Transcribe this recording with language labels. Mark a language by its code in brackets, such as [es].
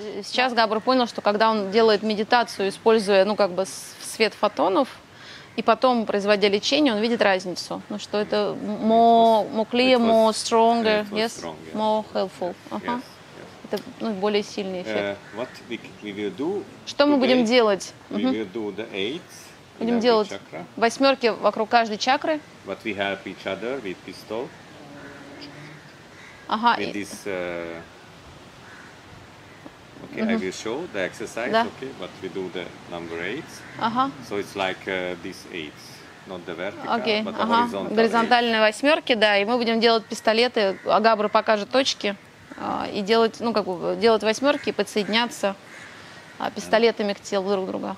[ru] Сейчас Габр понял, что когда он делает медитацию, используя, ну, как бы свет фотонов, и потом, производя лечение, он видит разницу. Ну, что это [en] more clear, more stronger, yes? More helpful. [ru] Это более сильный эффект. [en] What we will do? [ru] Что мы будем делать? [en] We will do the eights. [ru] Будем делать восьмерки вокруг каждой чакры. [en] But we help each other with pistol. With this... Okay, I will show the exercise, okay, but we do the number eights. So it's like these eights, not the vertical, okay, but the horizontal. [ru] Горизонтальные восьмерки, да, и мы будем делать пистолеты, а Габр покажет точки, и делать, ну, как бы, делать восьмерки и подсоединяться пистолетами к телу друг друга.